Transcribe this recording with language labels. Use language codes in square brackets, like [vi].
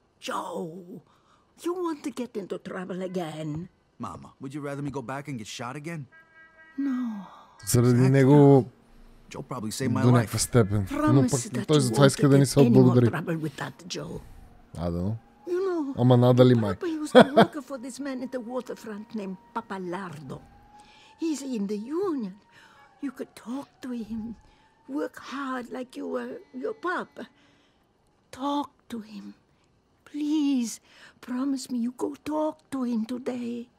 [en] Joe, you want to get into trouble again? Mama, would you rather me go back and get shot again? No. [bg] Заради него... [en] Joe probably saved my [bg] life. До някаква степен. Но пък той затова иска да ни се отблагодари. [en] Trouble with that, Joe. I don't know. You know, [bg] ама надали май. [en] Papa used to work for this man at the waterfront named Papalardo. He's in the union. You could talk to him. Work hard like you were your papa. Talk to him. Please, promise me you go talk to him today.